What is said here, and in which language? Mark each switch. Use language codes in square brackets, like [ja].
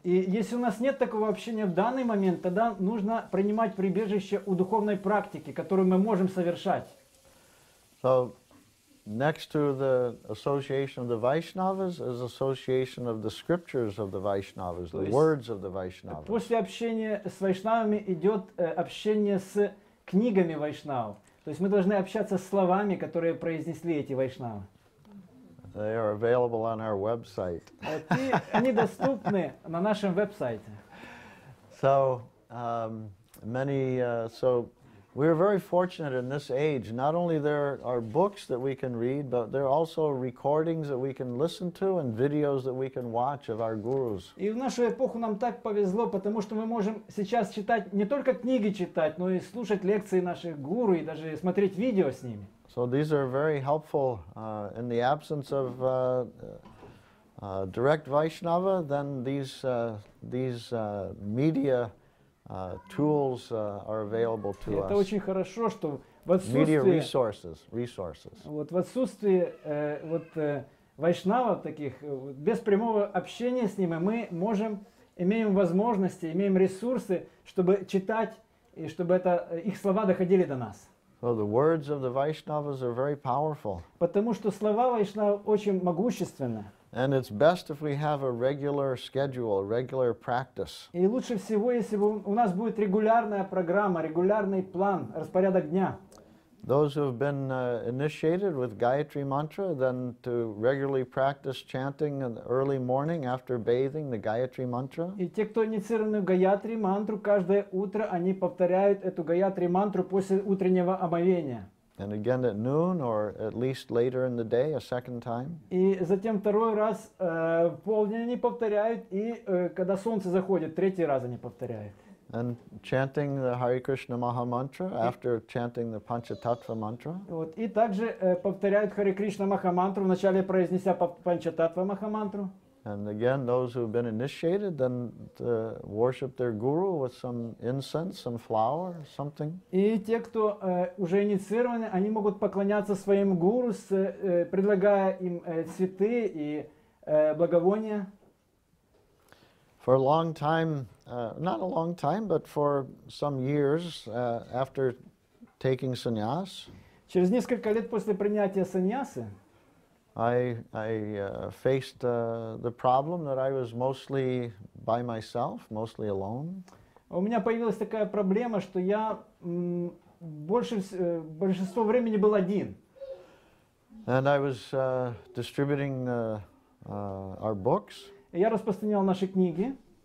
[ru] И если у нас нет такого общения в данный момент, тогда нужно принимать прибежище у духовной практики, которую мы можем совершать. [en] So, next to the association of the Vaishnavas is association of the scriptures of the Vaishnavas, the words of the Vaishnavas. [ru] После общения с Вайшнавами идет общение с книгами Вайшнав. То есть мы должны общаться с словами, которые произнесли эти Вайшнавы. [en] They are available on our website. [ru] Они доступны на нашем веб-сайте. So many. [en] So we are very fortunate in this age. Not only there are books that we can read, but there are also recordings that we can listen to and videos that we can watch of our gurus. [ru] И в нашу эпоху нам так повезло, потому что мы можем сейчас читать не только книги читать, но и слушать лекции наших гуру и даже смотреть видео с ними. [en] So these are very helpful in the absence of direct Vaishnava, then these media tools are available to [ru] us. Это очень хорошо, что в отсутствие [en] media resources. [ru] Вот в отсутствие вот Вайшнава таких без прямого общения с ними мы можем имеем возможности, имеем ресурсы, чтобы читать и чтобы это их слова доходили до нас. [en] So the words of the Vaishnavas are very powerful. [ru] Потому что слова Вайшнава очень могущественны. [en] And it's best if we have a regular schedule, regular practice. [ru] И лучше всего, если у нас будет регулярная программа, регулярный план, распорядок дня. [en] Those who have been initiated with Gayatri Mantra, then to regularly practice chanting in the early morning after bathing the Gayatri Mantra. [ru] И те, кто инициированы в Гаятри Мантру, каждое утро они повторяют эту Гаятри Мантру после утреннего омовения. [en] And again at noon or at least later in the day, a second time. [ru] И затем второй раз в полдень они повторяют, и когда солнце заходит, третий раз они повторяют. [en] And chanting the Hare Krishna Maha Mantra after chanting the Panchatattva Mantra. [ru] Вот и также повторяют Hare Krishna Maha Mantra вначале произнеся Панчататва Маха Мантру. [en] And again, those who have been initiated then worship their guru with some incense, some flower, something. [ru] И те, кто уже инициированы, они могут поклоняться своим гуру, предлагая им цветы и благовония. [en] For a long time, not a long time, but for some years after taking sannyas. [ru] Через несколько лет после принятия саньясы. [en] I faced the problem that I was mostly by myself, mostly alone. [ru] У меня появилась такая проблема, что я большинство времени был один. [en] And I was distributing our books. [ru] Я распространял наши книги.